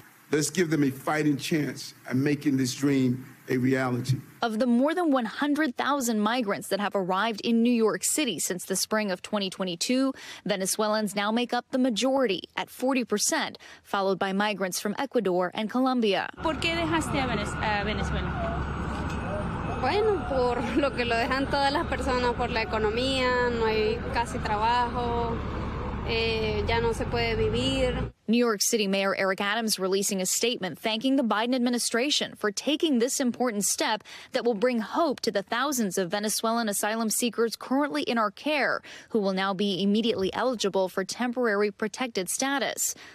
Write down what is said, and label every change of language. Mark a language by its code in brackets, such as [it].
[en] Let's give them a fighting chance at making this dream a reality. Of the more than 100,000 migrants that have arrived in New York City since the spring of 2022, Venezuelans now make up the majority at 40%, followed by migrants from Ecuador and Colombia. [es] ¿Por qué dejaste a Venezuela? Bueno, por lo que lo dejan todas las personas, por la economía, no hay casi trabajo. Ya no se puede vivir. [en] New York City Mayor Eric Adams releasing a statement thanking the Biden administration for taking this important step that will bring hope to the thousands of Venezuelan asylum seekers currently in our care, who will now be immediately eligible for temporary protected status.